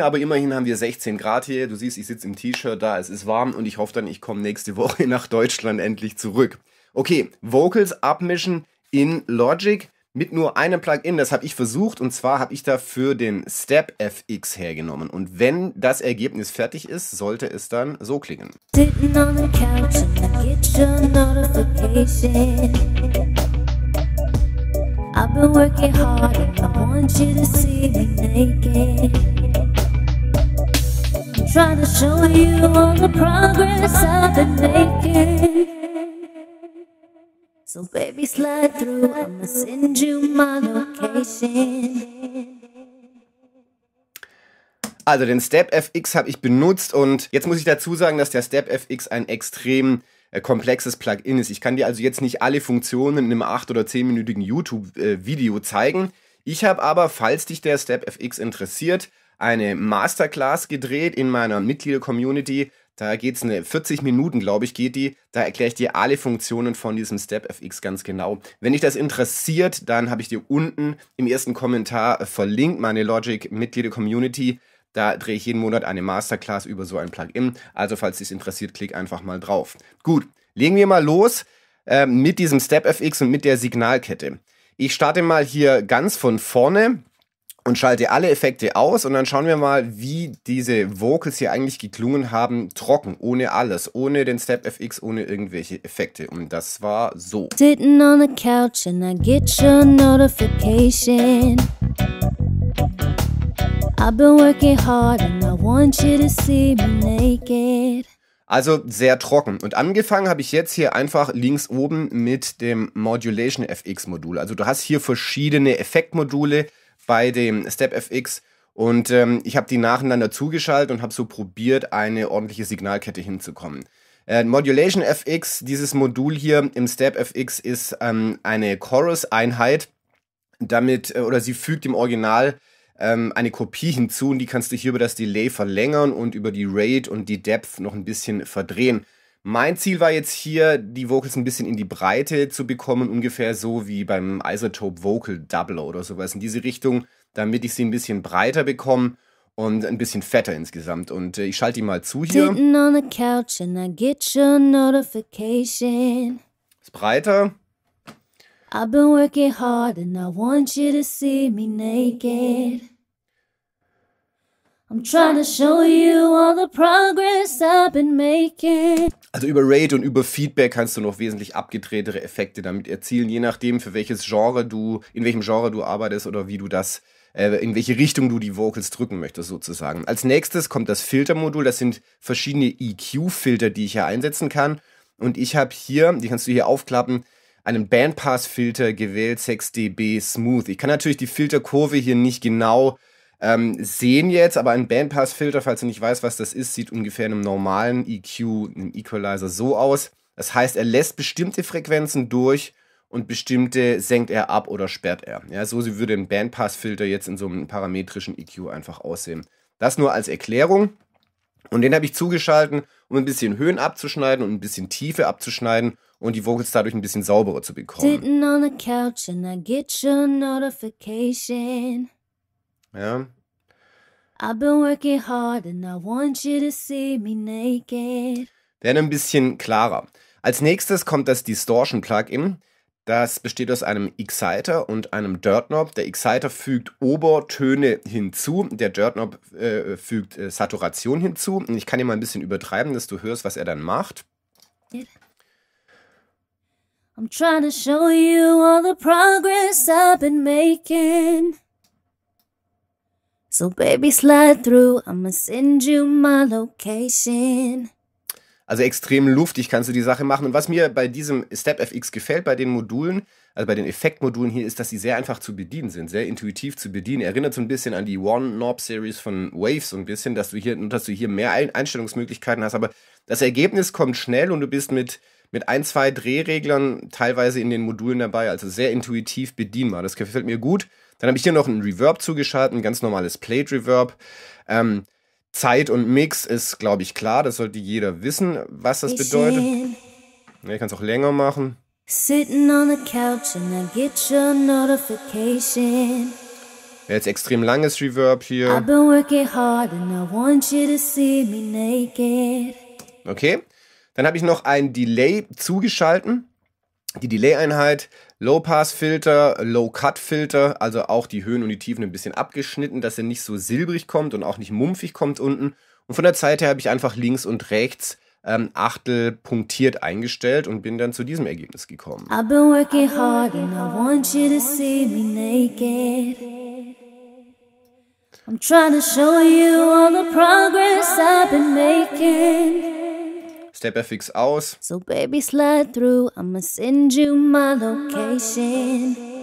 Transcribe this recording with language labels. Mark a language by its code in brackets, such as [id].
[de] Aber immerhin haben wir 16 Grad hier. Du siehst, ich sitze im T-Shirt da, es ist warm und ich hoffe dann, ich komme nächste Woche nach Deutschland endlich zurück. Okay, Vocals abmischen in Logic mit nur einem Plugin. Das habe ich versucht und zwar habe ich dafür den Step FX hergenommen. Und wenn das Ergebnis fertig ist, sollte es dann so klingen. [en] Sitting on the couch and I get your notification. I've been working hard and I want you to see me naked. I'm trying to show you all the progress I've been making. So baby, slide through, I'ma send you my location. [de] Also den Step FX habe ich benutzt und jetzt muss ich dazu sagen, dass der Step FX ein extrem komplexes Plugin ist. Ich kann dir also jetzt nicht alle Funktionen in einem 8- oder 10-minütigen YouTube-Video zeigen. Ich habe aber, falls dich der Step FX interessiert, eine Masterclass gedreht in meiner Mitglieder-Community. Da geht es eine 40 Minuten, glaube ich, geht die. Da erkläre ich dir alle Funktionen von diesem Step FX ganz genau. Wenn dich das interessiert, dann habe ich dir unten im ersten Kommentar verlinkt, meine Logic-Mitglieder-Community. Da drehe ich jeden Monat eine Masterclass über so ein Plugin. Also falls dich interessiert, klick einfach mal drauf. Gut, legen wir mal los mit diesem Step FX und mit der Signalkette. Ich starte mal hier ganz von vorne und schalte alle Effekte aus. Und dann schauen wir mal, wie diese Vocals hier eigentlich geklungen haben. Trocken, ohne alles, ohne den Step FX, ohne irgendwelche Effekte. Und das war so. [en] Sitting on the couch and I get your notification. I've been working hard and I want you to see me naked. [de] Also sehr trocken. Und angefangen habe ich jetzt hier einfach links oben mit dem Modulation FX Modul. Also du hast hier verschiedene Effektmodule bei dem Step FX und ich habe die nacheinander zugeschaltet und habe so probiert, eine ordentliche Signalkette hinzukommen. Modulation FX, dieses Modul hier im Step FX ist eine Chorus-Einheit, damit oder sie fügt im Original eine Kopie hinzu und die kannst du hier über das Delay verlängern und über die Rate und die Depth noch ein bisschen verdrehen. Mein Ziel war jetzt hier, die Vocals ein bisschen in die Breite zu bekommen, ungefähr so wie beim Isotope Vocal Doubler oder sowas in diese Richtung, damit ich sie ein bisschen breiter bekomme und ein bisschen fetter insgesamt. Und ich schalte die mal zu hier. [en] Sitting on the couch and I get your notification. [de] Ist breiter. [en] I've been working hard and I want you to see me naked. I'm trying to show you all the progress I've been making. [de] Also über Rate und über Feedback kannst du noch wesentlich abgedrehtere Effekte damit erzielen, je nachdem für welches Genre du, in welchem Genre du arbeitest oder wie du das, in welche Richtung du die Vocals drücken möchtest sozusagen. Als nächstes kommt das Filtermodul, das sind verschiedene EQ-Filter, die ich hier einsetzen kann. Und ich habe hier, die kannst du hier aufklappen, einen Bandpass-Filter gewählt, 6 dB Smooth. Ich kann natürlich die Filterkurve hier nicht genau sehen jetzt, aber ein Bandpass-Filter, falls du nicht weißt, was das ist, sieht ungefähr in einem normalen EQ, einem Equalizer so aus. Das heißt, er lässt bestimmte Frequenzen durch und bestimmte senkt er ab oder sperrt er. Ja, so würde ein Bandpass-Filter jetzt in so einem parametrischen EQ einfach aussehen. Das nur als Erklärung. Und den habe ich zugeschalten, um ein bisschen Höhen abzuschneiden und ein bisschen Tiefe abzuschneiden und die Vocals dadurch ein bisschen sauberer zu bekommen. [en] Sitting on the couch and I get your notification. Ja. I've been working hard and I want you to see me naked. [de] Wäre ein bisschen klarer. Als nächstes kommt das Distortion Plugin. Das besteht aus einem Exciter und einem Dirt Knob. Der Exciter fügt Obertöne hinzu, der Dirt Knob fügt Saturation hinzu. Und ich kann dir mal ein bisschen übertreiben, dass du hörst, was er dann macht. [en] I'm trying to show you all the progress I've been making. So baby, slide through, I'ma send you my location. [de] Also extrem luftig kannst du die Sache machen. Und was mir bei diesem Step FX gefällt, bei den Modulen, also bei den Effektmodulen hier, ist, dass sie sehr einfach zu bedienen sind, sehr intuitiv zu bedienen. Erinnert so ein bisschen an die One Knob Series von Waves, so ein bisschen, dass du hier mehr Einstellungsmöglichkeiten hast. Aber das Ergebnis kommt schnell und du bist mit mit ein, zwei Drehreglern teilweise in den Modulen dabei, also sehr intuitiv bedienbar. Das gefällt mir gut. Dann habe ich hier noch ein Reverb zugeschaltet, ein ganz normales Plate Reverb. Zeit und Mix ist, glaube ich, klar. Das sollte jeder wissen, was das bedeutet. Ja, ich kann es auch länger machen. [en] Sitting on the couch and I get your notification. [de] Wäre jetzt extrem langes Reverb hier. [en] I've been working hard and I want you to see me naked. [de] Okay, dann habe ich noch ein Delay zugeschalten. Die Delay-Einheit, Low-Pass-Filter, Low-Cut-Filter, also auch die Höhen und die Tiefen ein bisschen abgeschnitten, dass er nicht so silbrig kommt und auch nicht mumpfig kommt unten. Und von der Zeit her habe ich einfach links und rechts Achtel punktiert eingestellt und bin dann zu diesem Ergebnis gekommen. [en] I've been working hard and I want you to see me naked. I'm trying to show you all the progress I've been making. [de] Step FX aus. [en] So baby slide through, I'ma send you my location.